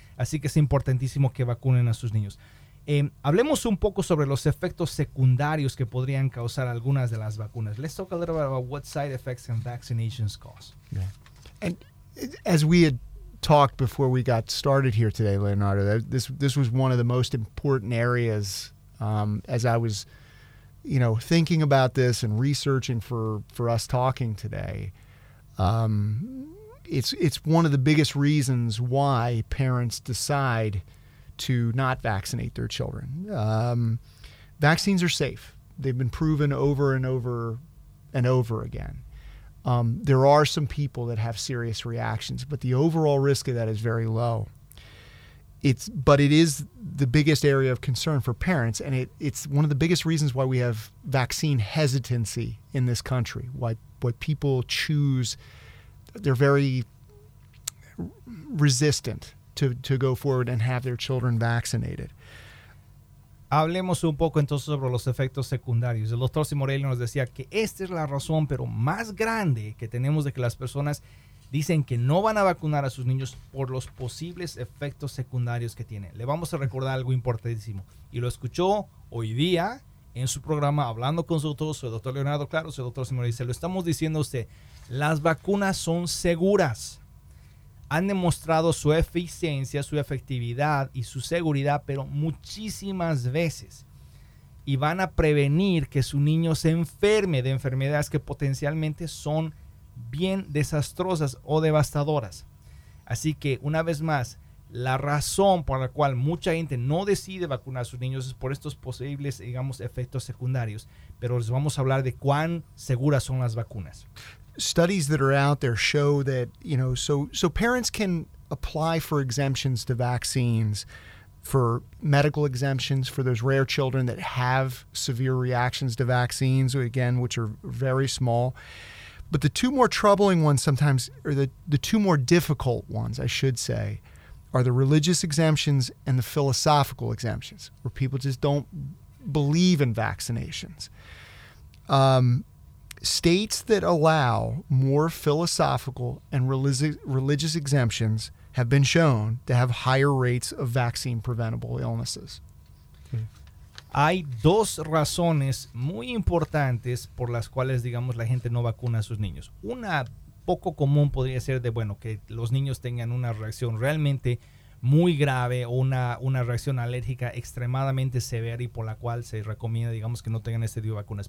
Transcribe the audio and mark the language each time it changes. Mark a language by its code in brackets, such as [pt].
[es] Así que es importantísimo que vacunen a sus niños. Hablemos un poco sobre los efectos secundarios que podrían causar algunas de las vacunas. [en] Let's talk a little bit about what side effects and vaccinations cause. Yeah. And as we had talked before we got started here today, Leonardo, this was one of the most important areas as I was, you know, thinking about this and researching for us talking today. It's one of the biggest reasons why parents decide to not vaccinate their children. Vaccines are safe. They've been proven over and over and over again. There are some people that have serious reactions, but the overall risk of that is very low. It is the biggest area of concern for parents, and it's one of the biggest reasons why we have vaccine hesitancy in this country, why people choose, they're very resistant to go forward and have their children vaccinated. [es] Hablemos un poco entonces sobre los efectos secundarios. El doctor Simorelli nos decía que esta es la razón, pero más grande que tenemos de que las personas dicen que no van a vacunar a sus niños por los posibles efectos secundarios que tienen. Le vamos a recordar algo importantísimo. Y lo escuchó hoy día en su programa hablando con su doctor, su doctor Leonardo Claros, el doctor Simorelli. Se lo estamos diciendo a usted, las vacunas son seguras. Han demostrado su eficiencia, su efectividad y su seguridad, pero muchísimas veces. Y van a prevenir que su niño se enferme de enfermedades que potencialmente son bien desastrosas o devastadoras. Así que, una vez más, la razón por la cual mucha gente no decide vacunar a sus niños es por estos posibles, digamos, efectos secundarios. Pero les vamos a hablar de cuán seguras son las vacunas. [en] Studies that are out there show that, you know, so parents can apply for exemptions to vaccines, for medical exemptions for those rare children that have severe reactions to vaccines, again, which are very small. But the two more troubling ones sometimes, or the two more difficult ones, I should say, are the religious exemptions and the philosophical exemptions, where people just don't believe in vaccinations. States that allow more philosophical and religious exemptions have been shown to have higher rates of vaccine-preventable illnesses. [es] Hay dos razones muy importantes por las cuales, digamos, la gente no vacuna a sus niños. Una poco común podría ser de, bueno, que los niños tengan una reacción realmente muy grave o una reacción alérgica extremadamente severa y por la cual se recomienda, digamos, que no tengan este tipo de vacunas.